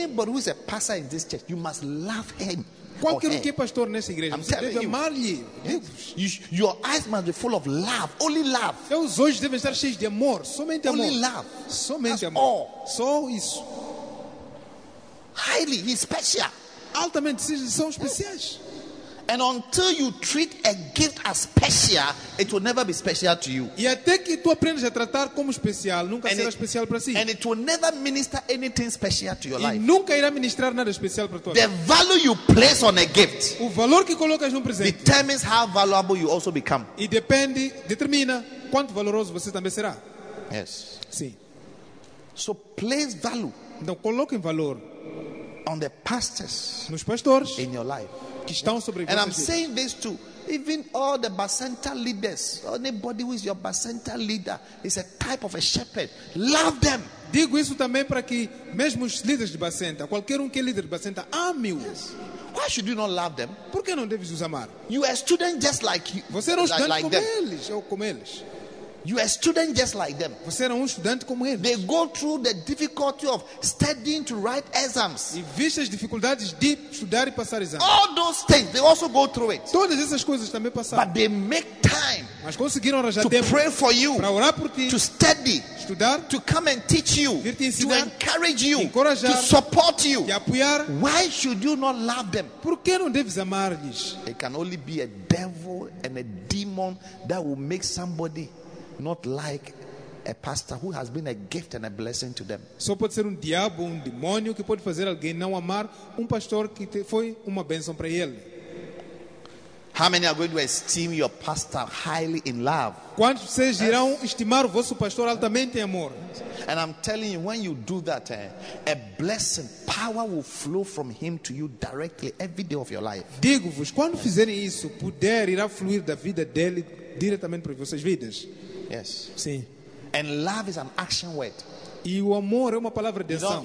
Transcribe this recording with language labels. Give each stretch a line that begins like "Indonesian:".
English: Anybody who is a pastor in this church, you must love him.
Portuguese: Qualquer que é pastor nessa igreja, você deve amar-lhe.
English: Your eyes must be full of love, only love.
Portuguese: Seus olhos devem estar cheios de amor, somente amor.
English: Only love,
Portuguese: somente
English: that's
Portuguese: amor.
English: All.
Portuguese: Só isso.
English: Highly, he's special.
Portuguese: Altamente, são especiais.
English: And until you treat a gift as special, it will never be special to you.
Portuguese: E até que tu aprendes a tratar como especial, nunca será especial para si.
English: And it will never minister anything special to your life.
Portuguese: E nunca irá ministrar nada especial para tua vida.
English: The value you place on a gift,
Portuguese: o valor que colocas num presente,
English: determines how valuable you also become.
Portuguese: E determina quanto valoroso você também será.
English: Yes.
Portuguese: Sim.
English: So place value.
Portuguese: Então coloque valor.
English: On the pastors,
Portuguese: nos pastores,
English: in your life,
Portuguese: que estão sobre
English: and I'm saying this to even all the Basanta leaders. Anybody who is your Basanta leader is a type of a shepherd. Love them.
Portuguese: Digo isso também para que mesmo os líderes de Basanta, qualquer que é líder de Basanta, ame-os.
English: Yes. Why should you not love them?
Portuguese: Por que não deves os amar?
English: You are student just like you.
Portuguese: Você era estudante como eles.
English: You are a student just like them.
Portuguese: Você era estudante como eles.
English: They go through the difficulty of studying to write exams.
Portuguese: E viste as dificuldades de estudar e passar exames.
English: All those things, they also go through it.
Portuguese: Todas essas coisas também passaram.
English: But they make time.
Portuguese: Mas conseguiram arranjar
English: to
Portuguese: tempo
English: pray for you,
Portuguese: para orar por ti,
English: to study,
Portuguese: estudar,
English: to come and teach you,
Portuguese: vir te ensinar,
English: to encourage you,
Portuguese: encorajar,
English: to support you,
Portuguese: te apoiar.
English: Why should you not love them?
Portuguese: Por que não deves amar-lhes?
English: It can only be a devil and a demon that will make somebody not like a pastor who has been a gift and a blessing to them.
Portuguese: Só pode ser diabo, demônio que pode fazer alguém não amar pastor que foi uma bênção para ele.
English: How many are going to esteem your pastor highly in love?
Portuguese: Quantos vocês irão estimar o vosso pastor altamente em amor?
English: And I'm telling you, when you do that, a blessing, power will flow from him to you directly every day of your life.
Portuguese: Digo-vos, quando fizerem isso, poder irá fluir da vida dele diretamente para vossas vidas.
English: Yes.
Portuguese: Sim.
English: And love is an action word.
Portuguese: E o amor é uma palavra de ação.